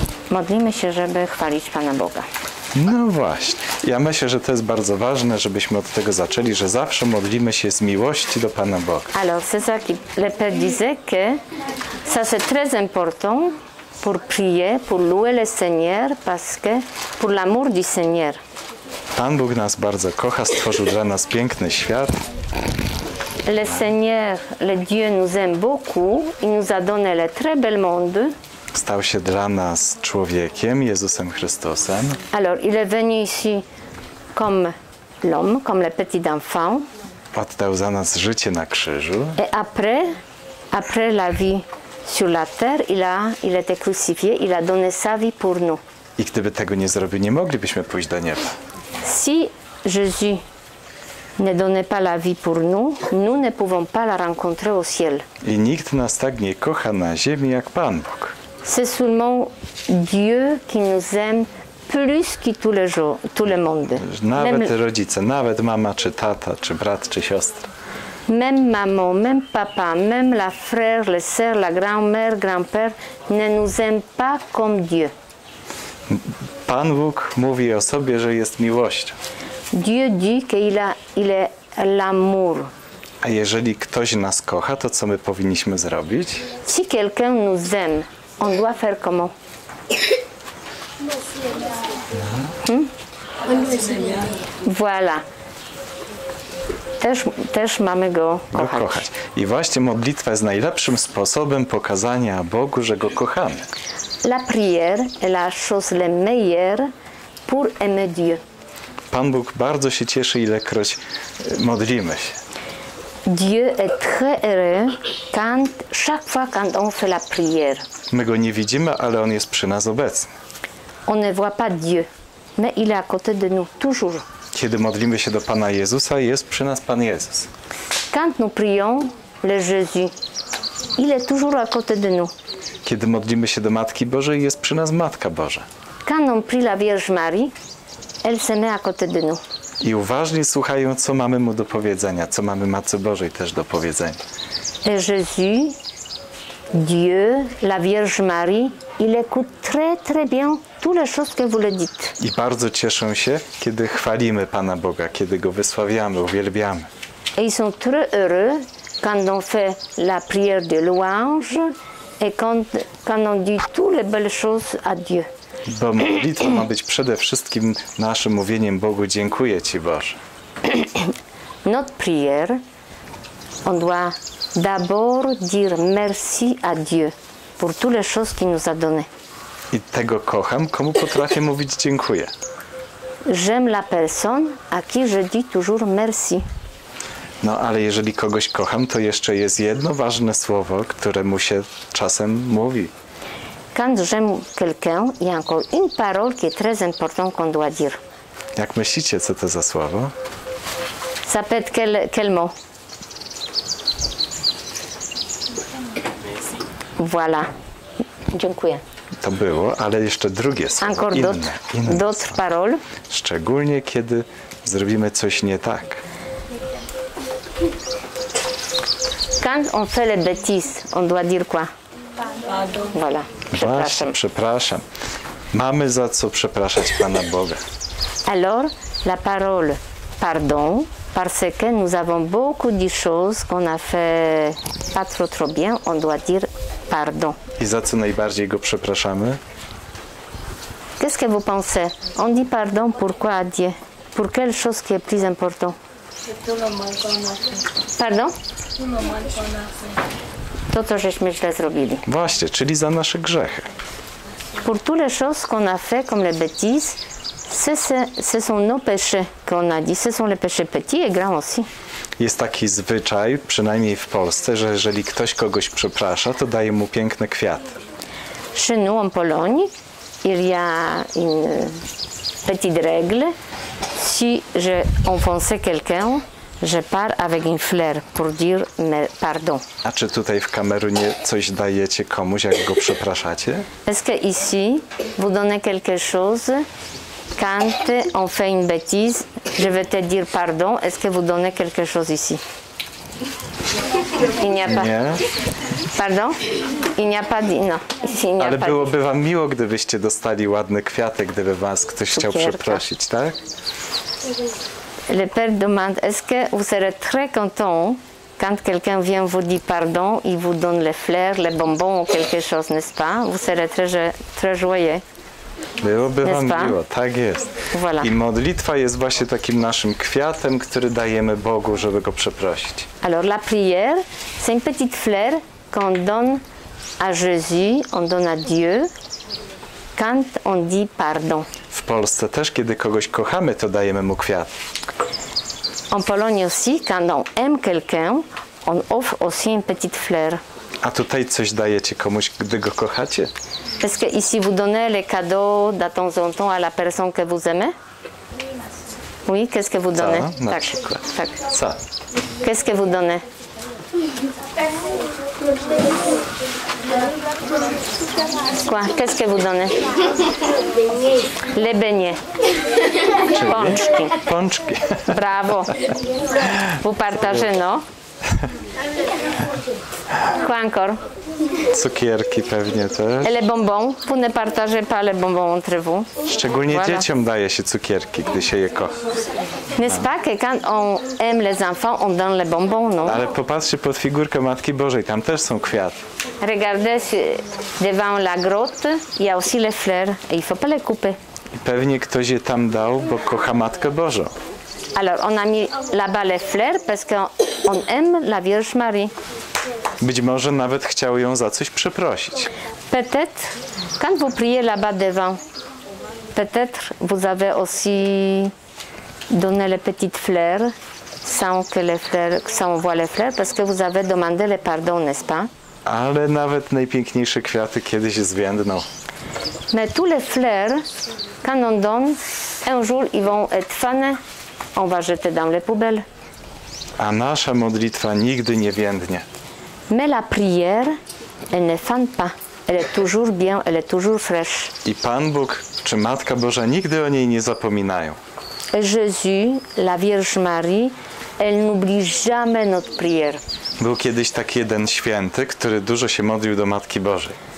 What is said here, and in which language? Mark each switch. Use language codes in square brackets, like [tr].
[pl] Modlimy się, żeby chwalić Pana Boga. No właśnie. Ja myślę, że to jest bardzo ważne, żebyśmy od tego zaczęli, że zawsze modlimy się z miłości do Pana Boga. [fr] Alors, c'est ça qui le Père disait que ça c'est très important pour prier, pour louer le Seigneur, parce que pour l'amour du Seigneur. [pl] Pan Bóg nas bardzo kocha, stworzył dla nas piękny świat. [fr] Le Seigneur, le Dieu nous aime beaucoup et nous a donné le très bel monde. [pl] Stał się dla nas człowiekiem, Jezusem Chrystusem. [fr] Alors, il est venu ici comme l'homme, comme le petit enfant. [pl] Oddał za nas życie na krzyżu. [fr] Et après la vie sur la terre, il a été crucifié, il a donné sa vie pour nous. [pl] I gdyby tego nie zrobił, nie moglibyśmy pójść do nieba. [fr] Si Jésus ne donne pas la vie pour nous, nous ne pouvons pas la rencontrer au ciel. [pl] I nikt nas tak nie kocha na ziemi jak Pan Bóg. [fr] C'est seulement Dieu qui nous aime plus que tout le monde. [pl] Nawet rodzice, nawet mama, czy tata, czy brat, czy siostra. [fr] Même maman, même papa, même la frère, le sœur, la grand-mère, grand-père ne nous aime pas comme Dieu. [pl] Pan Bóg mówi o sobie, że jest miłością. [fr] Dieu dit qu'il est l'amour. [pl] A jeżeli ktoś nas kocha, to co my powinniśmy zrobić? [fr] Si quelqu'un nous aime, on doit faire comment? Voilà. [pl] Też mamy go kochać. I właśnie modlitwa jest najlepszym sposobem pokazania Bogu, że go kochamy. [fr] La prière est la chose la meilleure pour aimer Dieu. [pl] Pan Bóg bardzo się cieszy, ilekroć modlimy się. [fr] Dieu est très heureux quand chaque fois quand on fait la prière. [pl] My go nie widzimy, ale on jest przy nas obecny. [fr] On ne voit pas Dieu, mais il est à côté de nous toujours. [pl] Kiedy modlimy się do Pana Jezusa, jest przy nas Pan Jezus. [fr] Quand nous prions le Jésus, il est toujours à côté de nous. [pl] Kiedy modlimy się do Matki Bożej, jest przy nas Matka Boża. [fr] Quand on prie la Vierge Marie, elle se met à côté de nous. [pl] I uważnie słuchają, co mamy mu do powiedzenia, co mamy Matce Bożej też do powiedzenia. [fr] Le Jésus, Dieu, la Vierge Marie, il écoute très très bien toutes les choses que vous le dites. [pl] I bardzo cieszę się, kiedy chwalimy Pana Boga, kiedy go wysławiamy, uwielbiamy. [fr] Et ils sont très heureux quand on fait la prière de louange et quand on dit toutes les belles choses à Dieu. [pl] Bo modlitwa ma być przede wszystkim naszym mówieniem Bogu: dziękuję Ci, Boże. [fr] Notre prière, on doit d'abord dire merci à Dieu pour toutes les choses qu'il nous a donné. [pl] I tego kocham, komu potrafię mówić dziękuję. [fr] J'aime la personne à qui je dis toujours merci. [pl] No, ale jeżeli kogoś kocham, to jeszcze jest jedno ważne słowo, które mu się czasem mówi. [fr] Quand j'aime quelqu'un, il y a encore une parole qui est très importante qu'on doit dire. [pl] Jak myślicie, co to za słowo? [fr] Ça peut être quel mot? Voilà. [pl] Dziękuję. To było, ale jeszcze drugie słowo. [fr] Encore d'autres paroles. [pl] Szczególnie, kiedy zrobimy coś nie tak. [fr] Quand on fait les bêtises, on doit dire quoi? Voilà. [pl] Przepraszam. Mamy za co przepraszać Pana Boga. [fr] Alors, la parole pardon, parce que nous avons beaucoup de choses qu'on a fait pas trop bien, on doit dire pardon. [pl] I za co najbardziej go przepraszamy? [fr] Qu'est-ce que vous pensez? On dit pardon pourquoi à Dieu? Pour quelle chose qui est plus important? Pardon? [pl] To, co żeśmy źle zrobili. Właśnie, czyli za nasze grzechy. [fr] Pour toutes les choses qu'on a fait, comme les bêtises, ce sont nos péchés qu'on a dit. Ce sont les péchés petits et grands aussi. [pl] Jest taki zwyczaj, przynajmniej w Polsce, że jeżeli ktoś kogoś przeprasza, to daje mu piękne kwiaty. [fr] Chez nous, en Pologne, il y a une petite règle. Si j'ai offensé quelqu'un, je pars avec une fleur pour dire pardon. [pl] A czy tutaj w Kamerunie coś dajecie komuś, jak go przepraszacie? [fr] Est-ce que ici vous donnez quelque chose quand on fait une bêtise, je vais te dire pardon, est-ce que vous donnez quelque chose ici? Il n'y a pas. [pl] Nie. [fr] Pardon? Il n'y a pas dit. No. [pl] Ale byłoby wam miło, gdybyście dostali ładny kwiatek, gdyby was ktoś cukierka chciał przeprosić, tak? [fr] Le père demande, est-ce que vous serez très content quand quelqu'un vient vous dire pardon, il vous donne les fleurs, les bonbons ou quelque chose, n'est-ce pas? Vous serez très joyeux. [pl] Byłoby wam miło, tak jest. [fr] Voilà. [pl] I modlitwa jest właśnie takim naszym kwiatem, który dajemy Bogu, żeby go przeprosić. [fr] Alors la prière, c'est une petite fleur qu'on donne à Jésus, on donne à Dieu quand on dit pardon. [pl] W Polsce też, kiedy kogoś kochamy, to dajemy mu kwiat. [fr] En Pologne aussi, quand on aime quelqu'un, on offre aussi une petite fleur. [pl] A tutaj coś dajecie komuś, gdy go kochacie? [fr] Est-ce que ici vous donnez les cadeaux de temps en temps à la personne que vous aimez? Oui, qu'est-ce que vous donnez? [pl] Co? Na przykład. Tak. Co? [fr] Qu'est-ce que vous donnez? Quoi? Qu'est-ce que vous donnez? Les beignets. [pl] Pączki. [fr] Bravo. Vous partagez, non? Quoi encore? [pl] Cukierki pewnie też. [fr] Et les bonbons. Vous ne partagez pas les bonbons entre vous? [pl] Szczególnie [fr] voilà. [pl] Dzieciom daje się cukierki, gdy się je kocha. [fr] N'est-ce pas que quand on aime les enfants, on donne les bonbons, non? [pl] Ale popatrzcie pod figurkę Matki Bożej, tam też są kwiaty. [fr] Regardez devant la grotte, il y a aussi les fleurs. Et il faut pas les couper. [pl] I pewnie ktoś je tam dał, bo kocha Matkę Bożą. [fr] Alors, on a mis là-bas les fleurs parce qu'on aime la Vierge Marie. [pl] Być może nawet chciał ją za coś przeprosić. [fr] Peut-être, quand vous priez là-bas devant, peut-être vous avez aussi donné les petites fleurs sans que les fleurs, sans on voit les fleurs, parce que vous avez demandé le pardon, n'est-ce pas? [pl] Ale nawet najpiękniejsze kwiaty kiedyś zwiędną. [fr] Mais tous les fleurs, quand on donne, un jour ils vont être fanées. On va jeter dans les poubelles. [pl] A nasza modlitwa nigdy nie więdnie. [fr] Mais la prière, elle ne fane pas. Elle est toujours bien, elle est toujours fraîche. [pl] I Pan Bóg czy Matka Boża nigdy o niej nie zapominają. [fr] Et Jésus, la Vierge Marie, elle n'oublie jamais notre prière. [pl] Był kiedyś taki jeden święty, który dużo się modlił do Matki Bożej.